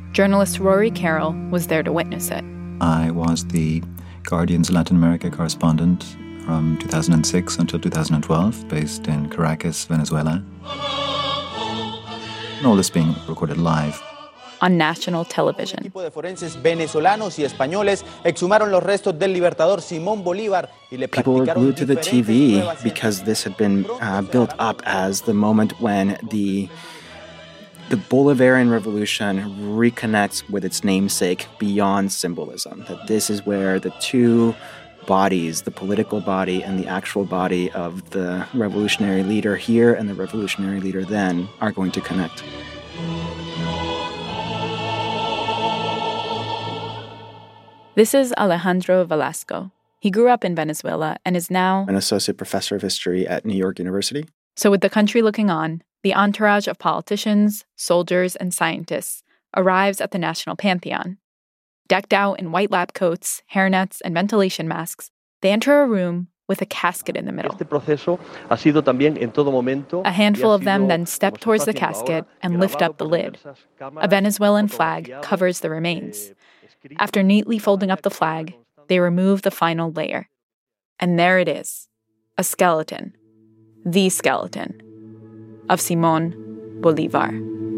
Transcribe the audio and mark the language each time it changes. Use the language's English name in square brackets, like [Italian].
[English] Journalist Rory Carroll was there to witness it. I was the Guardian's Latin America correspondent from 2006 until 2012, based in Caracas, Venezuela. And all this being recorded live. on national television. [Spanish] Un equipo de forenses venezolanos y españoles exhumaron los restos del libertador Simón Bolívar. [English] People were glued to the TV because this had been built up as the moment when the Bolivarian Revolution reconnects with its namesake beyond symbolism. That this is where the two bodies, the political body and the actual body of the revolutionary leader here and the revolutionary leader then, are going to connect. This is Alejandro Velasco. He grew up in Venezuela and is now an associate professor of history at New York University. So with the country looking on, the entourage of politicians, soldiers, and scientists arrives at the National Pantheon. Decked out in white lab coats, hairnets, and ventilation masks, they enter a room with a casket in the middle. [Spanish] Este proceso ha sido también en todo momento, [English] a handful of them then step towards the casket and lift up the lid. A Venezuelan flag covers the remains. After neatly folding up the flag, they remove the final layer. And there it is, a skeleton, the skeleton of Simón Bolívar.